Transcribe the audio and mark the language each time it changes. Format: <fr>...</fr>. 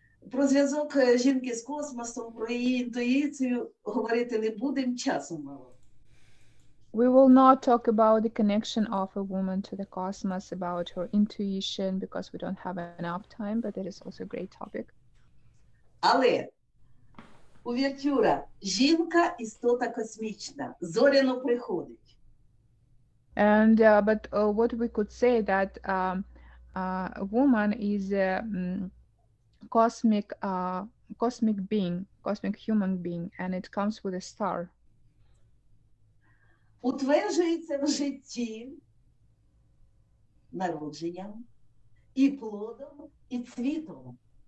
<uk>Про зв'язок жінки з космосом, про її інтуїцію говорити не будемо, часу мало.</uk> <en>We will not talk about the connection of a woman to the cosmos, about her intuition, because we don't have enough time, but it is also a great topic.</en> <uk>Але увертюра жінка істота космічна, зоряно приходить.</uk> <en>And but what we could say that a woman is a cosmic being, cosmic human being, and it comes with a star.</en> <uk>Утверджується в житті народженням і плодом, і цвітом.</uk>